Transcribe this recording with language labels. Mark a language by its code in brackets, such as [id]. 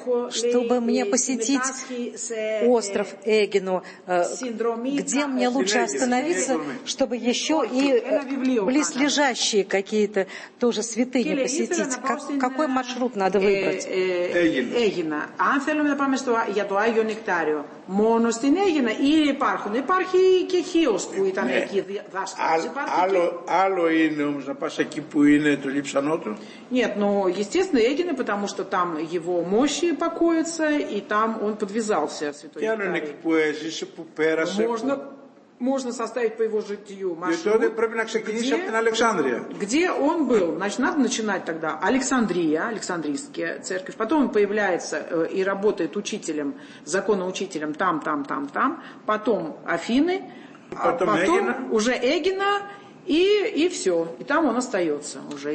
[ru] Чтобы мне посетить остров Эгину, где мне лучше остановиться, чтобы еще и близлежащие какие-то тоже святыни посетить? Какой маршрут надо выбрать? Эгина. А если мы пойдем за Айю Нектарию, [el] μόνο στην Αίγινα ή υπάρχουν. Υπάρχει και Χίος που ήταν ναι. εκεί δάσκαλος. Άλλο είναι όμως να πας εκεί που είναι το λείψανό του. [ru] Нет, но естественно Αίγινα, потому что там его мощи покоятся и там он подвязался святой. [el] Και άλλο είναι εκεί που έζησε, που πέρασε. [ru] Можно, [el] που... [ru] можно составить по его житию маршрут. [el] Και τότε πρέπει να ξεκινήσει από την Αλεξάνδρεια. [ru] Где он был. Значит, надо начинать тогда. Александрия, Александрийская церковь. Потом он появляется и работает учителем, законоучителем там. Потом Афины. И потом, Эгина. Уже Эгина. И все. И там он остается уже.